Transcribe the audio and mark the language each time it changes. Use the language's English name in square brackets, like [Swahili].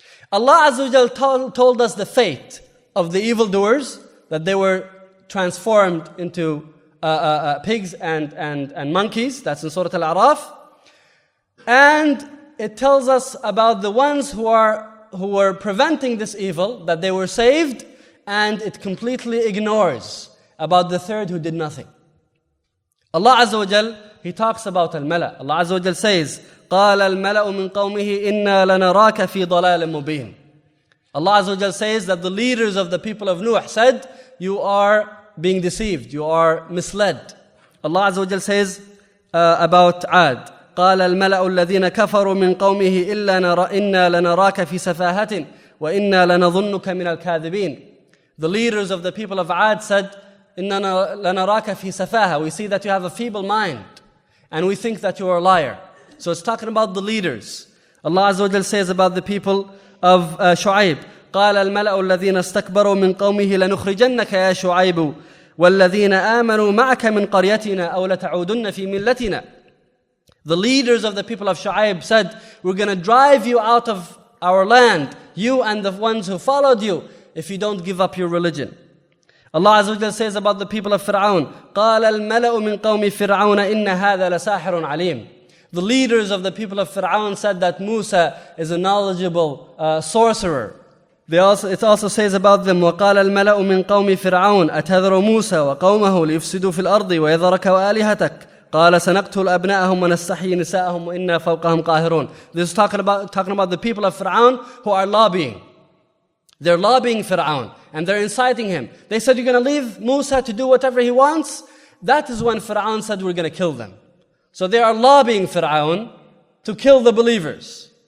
[English] Allah Azza wa Jal told us the fate of the evildoers, that they were transformed into pigs and monkeys. That's in Surah Al-A'raf. And it tells us about the ones who were preventing this evil, that they were saved, and it completely ignores about the third who did nothing. Allah Azza wa Jal, He talks about al-mala. Allah Azza wa Jal says, [Arabic] قَالَ الْمَلَأُ مِنْ قَوْمِهِ إِنَّا لَنَرَاكَ فِي ضَلَالٍ مُبِينٍ. [English] Allah Azza wa Jal says that the leaders of the people of Nuh said, you are being deceived, you are misled. Allah Azza wa Jal says about Ad, [Arabic] قَالَ الْمَلَأُ الَّذِينَ كَفَرُوا مِنْ قَوْمِهِ إِنَّا لَنَرَاكَ فِي سَفَاهَةٍ وَإِنَّا لَنَظُنُّكَ مِنَ الْكَاذِبِينَ. [English] The leaders of the people of Ad said, [Arabic] إِنَّا لَنَرَاكَ فِي سَفَاهَةٍ. [English] We see that you have a feeble mind, and we think that you are a liar. So it's talking about the leaders. Allah Azza wa Jal says about the people of Shu'aib, [Arabic] قَالَ الْمَلَأُ الَّذِينَ اسْتَكْبَرُوا مِنْ قَوْمِهِ لَنُخْرِجَنَّكَ يَا شُعَيْبُ وَالَّذِينَ آمَنُوا مَعَكَ مِنْ قَرْيَتِنَا أَوْ لَتَعُودُنَّ فِي مِلَّتِنَا. [English] The leaders of the people of Shu'aib said, we're going to drive you out of our land, you and the ones who followed you, if you don't give up your religion. Allah Azza wa Jalla says about the people of Fir'aun, [Arabic] قَالَ الْمَلَأُ مِنْ قَوْمِ فِرْعَوْنَ إِنَّ هَذَا لَسَاحِرٌ عَلِيمٌ. [English] The leaders of the people of Fir'aun said that Musa is a knowledgeable sorcerer. It also says about them, [Arabic] وَقَالَ الْمَلَأُ مِنْ قَوْمِ فِرْعَوْنَ أَتَذَرُ مُوسَى وَقَوْمَهُ لِيُفْسِدُوا فِي الْأَرْضِ وَيَذَرَكَ وَآلِهَتَكَ قَالَ سَنَقْتُلُ أَبْنَاءَهُمْ وَنَسْتَحْيِي نِسَاءَهُمْ وَإِنَّا فَوْقَهُمْ قَاهِرُونَ. [English] This is talking about the people of Fir'aun who are lobbying. They're lobbying Fir'aun and they're inciting him. They said, you're going to leave Musa to do whatever he wants? That is when Fir'aun said, we're going to kill them. So they are lobbying Fir'aun to kill the believers.